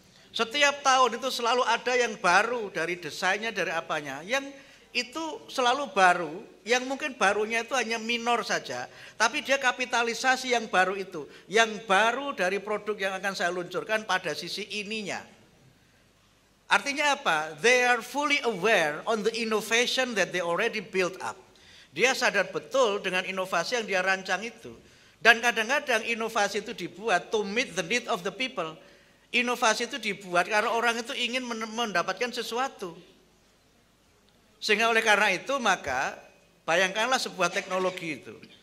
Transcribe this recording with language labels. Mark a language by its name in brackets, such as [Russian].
[Indonesian] Setiap tahun itu selalu ada yang baru dari desainnya, dari apanya. Yang itu selalu baru, yang mungkin barunya itu hanya minor saja. Tapi dia kapitalisasi yang baru itu. Yang baru dari produk yang akan saya luncurkan pada sisi ininya. Artinya apa? [English] They are fully aware on the innovation that they already built up. [Indonesian] Dia sadar betul dengan inovasi yang dia rancang itu. Dan kadang-kadang inovasi itu dibuat [English] to meet the need of the people. [Indonesian] Inovasi itu dibuat karena orang itu ingin mendapatkan sesuatu. Sehingga oleh karena itu maka bayangkanlah sebuah teknologi itu.